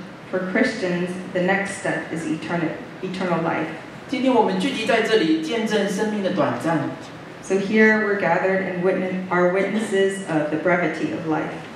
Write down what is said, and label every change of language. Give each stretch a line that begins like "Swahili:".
English: For Christians, the next step is eternal life.
Chinese: 今天我们聚集在这里见证生命的短暂。So
English: here we're gathered and witnesses of the brevity of life.